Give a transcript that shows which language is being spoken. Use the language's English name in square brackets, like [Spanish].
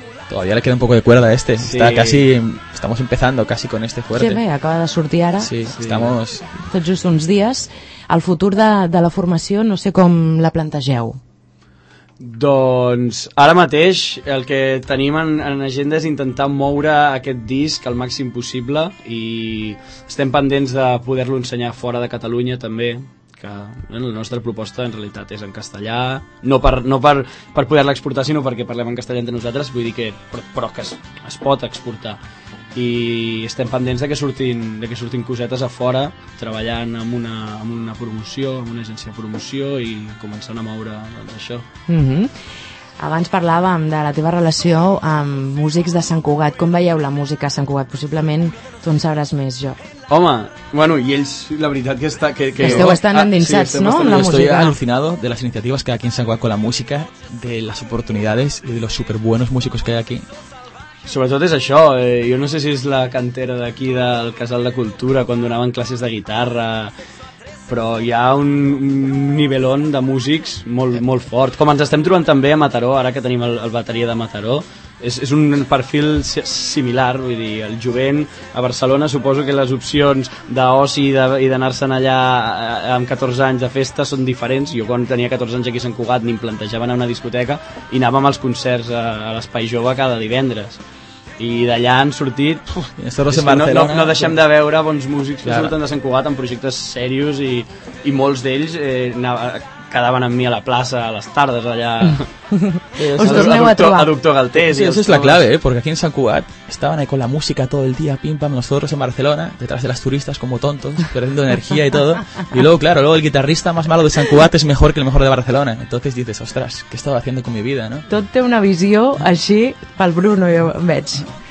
[Spanish] Todavía le queda un poco de cuerda a este. Sí. Está casi, estamos empezando casi con este fuerte. [Catalan] Sí, bé, acaba de sortir ara. [Spanish] Sí, sí. Estamos... [Catalan] Tot just uns dies. El futur de la formació, no sé com la plantegeu. Doncs ara mateix el que tenim en agenda és intentar moure aquest disc al màxim possible i estem pendents de poder-lo ensenyar fora de Catalunya també, que bueno, la nostra proposta en realitat és en castellà, no per poder-la exportar sinó perquè parlem en castellà entre nosaltres, vull dir que però que es pot exportar i estem pendents de que surtin cosetes a fora treballant amb una promoció, amb una agència de promoció i començant a moure això. Mm-hmm. Abans parlàvem de la teva relació amb músics de Sant Cugat. Com veieu la música a Sant Cugat? Possiblement tu en sabràs més, jo. Home, bueno, i ells, la veritat que està... Que esteu bastant endinsats, sí, no? [Spanish] Jo estoy alucinado de las iniciativas que hay aquí en Sant Cugat con la música, de las oportunidades y de los superbuenos músicos que hay aquí. [Catalan] Sobretot és això, jo no sé si és la cantera d'aquí del Casal de Cultura quan donaven classes de guitarra, però hi ha un nivellón de músics molt, molt fort, com ens estem trobant també a Mataró, ara que tenim el bateria de Mataró, és un perfil similar, vull dir, el jovent a Barcelona suposo que les opcions d'oci i d'anar-se'n allà amb 14 anys de festa són diferents. Jo quan tenia 14 anys aquí a Sant Cugat ni em plantejava anar a una discoteca i anàvem als concerts a l'Espai Jove cada divendres i d'allà han sortit no deixem de veure bons músics que surten de Sant Cugat en projectes serios i molts d'ells quedaven amb mi a la plaça a les tardes allà. Us torneu a trobar. A Doctor Galtés. [Spanish] Sí, eso es la clave, porque aquí en Sant Cugat estaban ahí con la música todo el día, pim pam, nosotros en Barcelona, detrás de las turistas como tontos, perdiendo energía y todo. Y luego, claro, luego el guitarrista más malo de Sant Cugat es mejor que el mejor de Barcelona. Entonces dices, ostras, ¿qué he estado haciendo con mi vida, no? [Catalan] Tot té una visió així pel Bruno, jo veig.